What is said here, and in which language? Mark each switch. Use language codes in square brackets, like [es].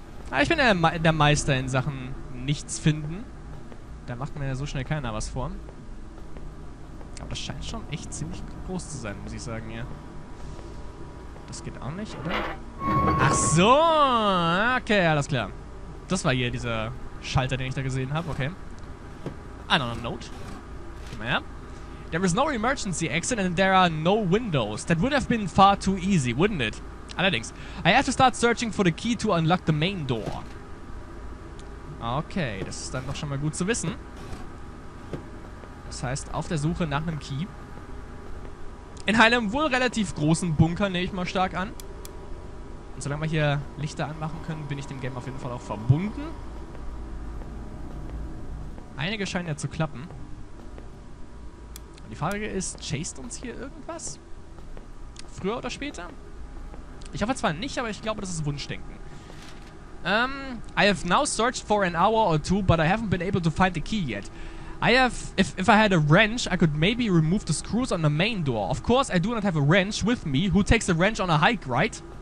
[de] Ah, ich bin der Meister in Sachen nichts finden. Da macht mir ja so schnell keiner was vor. Aber das scheint schon echt ziemlich groß zu sein, muss ich sagen, ja. Das geht auch nicht, oder? Ach so! Okay, alles klar. Das war hier dieser Schalter, den ich da gesehen habe, okay. [en] I don't know, note. [de] Gehen wir her. [en] There is no emergency exit and there are no windows. That would have been far too easy, wouldn't it? [de] Allerdings. [en] I have to start searching for the key to unlock the main door. [de] Okay, das ist dann doch schon mal gut zu wissen. Das heißt, auf der Suche nach einem Key. In einem wohl relativ großen Bunker, nehme ich mal stark an. Und solange wir hier Lichter anmachen können, bin ich dem Game auf jeden Fall auch verbunden. Einige scheinen ja zu klappen. Die Frage ist, chased uns hier irgendwas? Früher oder später? Ich hoffe zwar nicht, aber ich glaube, das ist Wunschdenken. [en] I have now searched for an hour or two, but I haven't been able to find the key yet. I have... If I had a wrench, I could maybe remove the screws on the main door. Of course, I do not have a wrench with me. Who takes a wrench on a hike, right?